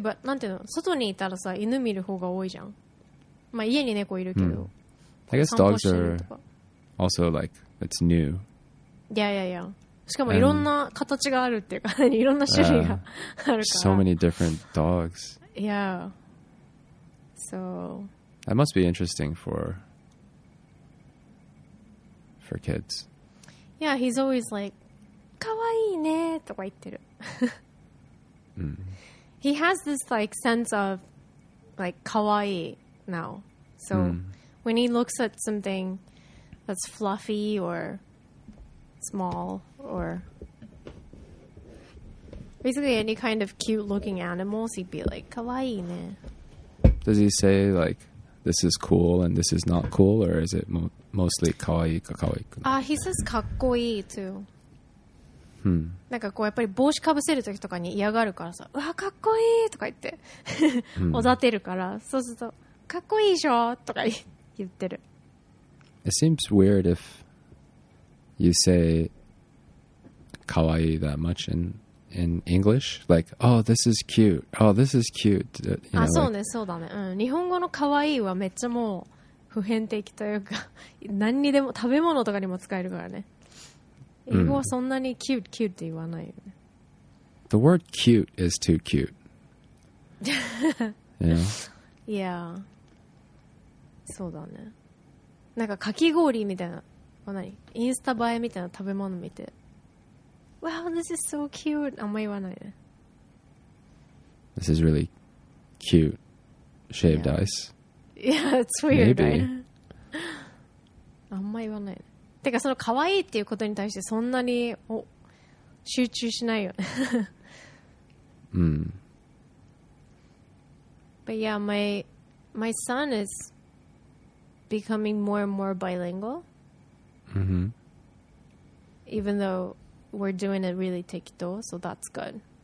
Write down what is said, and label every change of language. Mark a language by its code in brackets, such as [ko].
[ja] But なんていうの、外にいたらさ犬見る方が多いじゃん。まあ家に猫いるけど。 [en] I guess dogs are also like it's new. Yeah. [ja] しかもいろんな形があるっていうか、いろんな種類があるから。 [en] So many different dogs. Yeah. So. That must be interesting for kids. Yeah, he's always like, [ja] かわいいねとか言ってる。 [en] He has this like sense of like かわいい now. So when he looks at something that's fluffy or small,or basically any kind of cute looking animals, he'd be like, [ja] kawaii ne. [en] Does he say like, this is cool and this is not cool, or is it mostly [ja] kawaii ka kawaii ka? [en] Ah, he says kakkoi too. Hmm. [ja] なんかこうやっぱり帽子かぶせる時とかに嫌がるからさ、うわ、かっこいいとか言って、おだてるから、そうすると、かっこいいじゃんとか言ってる。 [en] It seems weird if you say,kawaii that much in English, like oh this is cute, oh this is cute, you [ja] know, あ、そうね、そうだね、うん、日本語の可愛いはめっちゃもう普遍的というか何にでも食べ物とかにも使えるからね、英語はそんなに cute cute って言わないよね。 [en] The word cute is too cute. Yeah. Yeah. [ja] そうだね。なんかかき氷みたいな、は何？インスタ映えみたいな食べ物見て、 [en] Wow, this is so cute. [ja] あんま言わないね。 [en] This is really cute. Shaved yeah. ice. Yeah, it's weird. Maybe. [ja] あんま言わないね。てかその可愛いっていうことに対してそんなに集中しないよね。 [en] But yeah, my son is becoming more and more bilingual. Even though. We're doing it really taekido, so that's good.